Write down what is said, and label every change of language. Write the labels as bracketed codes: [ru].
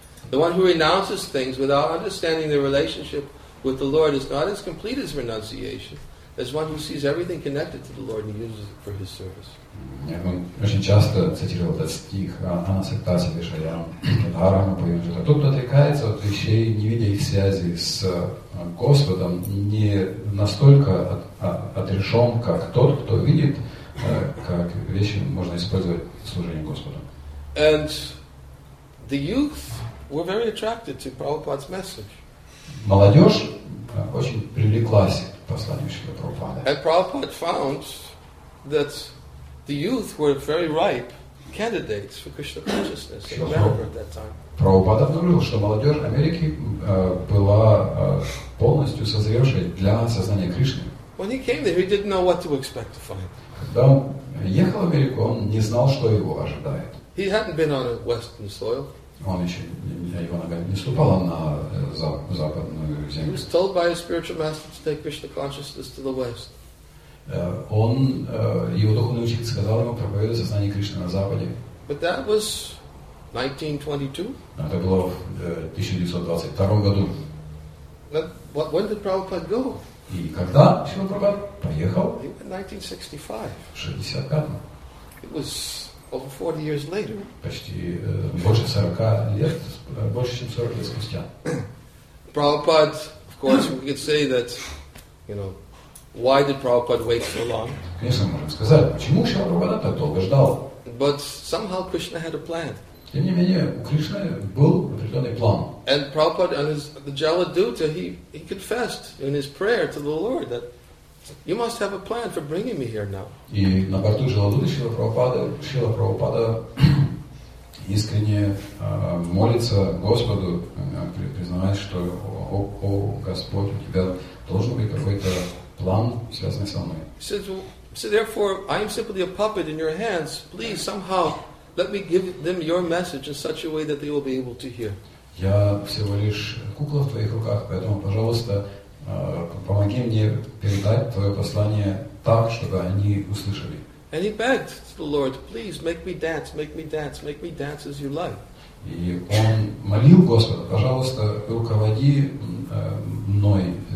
[en] The one who renounces things without understanding the relationship with the Lord is not as complete as renunciation as one who sees everything connected to the Lord and uses it for his service. [ru] Очень часто цитировал этот стих Анасактаси Вишаям Дхарама Паюнджита. Тот, кто отрекается от вещей, не видя их связи с Господом, не настолько отрешен, как тот, кто видит, как вещи можно использовать в служении Господу. [en] And the youth were very attracted to Prabhupada's message. [ru] Молодежь очень привлеклась к посланию Шрилы Прабхупады. [en] And Prabhupada found that the youth were very ripe candidates for Krishna consciousness in America at that time. [ru] Прабхупада обнаружил, что молодежь Америки была полностью созревшей для сознания Кришны. [en] When he came there, he didn't know what to expect to find. [ru] Когда он ехал в Америку, он не знал, что его ожидает. [en] He hadn't been on a western soil. [ru] Он еще, его нога не ступала на западную землю. [en] He was told by his spiritual master to take Krishna consciousness to the west. [ru] Его духовный учитель сказал ему проповедовать сознание Кришны на западе. [en] But that was 1922. [ru] Это было в 1922 году. [en] But when did Prabhupada go? [ru] И когда Шрила Прабхупада поехал? [en] It was 1965. It was over 40 years later. [ru] Почти больше 40 лет, больше чем 40 лет спустя. [en] Prabhupada, of course, we could say that, you know, why did Prabhupada wait so long? [ru] Конечно, можно сказать, почему Шрила Прабхупада так долго ждал? [en] But somehow Krishna had a plan. [ru] Тем не менее, у Кришны был определенный план. [en] And Prabhupada and his the Jaladutta, he confessed in his prayer to the Lord that you must have a plan for bringing me here now. [ru] И на борту Джаладутты Шрила Прабхупада, искренне молится Господу, признавая, что о Господь, у тебя должен быть какой-то план, связанный со мной. [en] So therefore, I am simply a puppet in your hands. Please somehow let me give them your message in such a way that they will be able to hear. [ru] Я всего лишь кукла в твоих руках, поэтому, пожалуйста, помоги мне передать твое послание так, чтобы они услышали. [en] And he begged to the Lord, please make me dance, make me dance, make me dance as you like. [ru] И он молил Господа, пожалуйста, руководи мной.